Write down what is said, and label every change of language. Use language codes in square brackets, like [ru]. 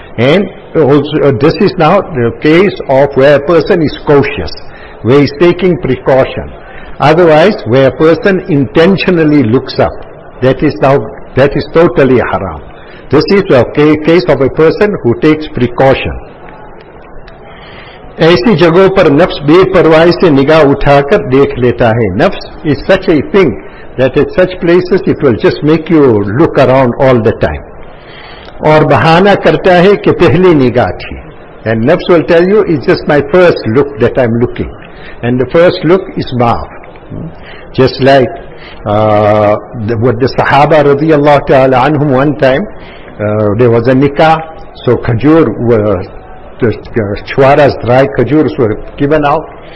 [en] And also, this is now the case of where a person is cautious, where he's taking precaution. Otherwise, where a person intentionally looks up, that is totally haram. This is a case of a person who takes precaution. [ur] ऐसी जगहों पर नफ्स बेपरवाही से निगाह उठाकर देख लेता है. [en] Nafs is such a thing that at such places it will just make you look around all the time. [ur] और बहाना करता है कि पहली निगाह थी. [en] And nafs will tell you, it's just my first look that I'm looking. And the first look is maaf. Just like with the Sahaba radiallahu ta'ala anhum, one time there was a nikah, so khajur was, just chwaras, dry khajurs were given out.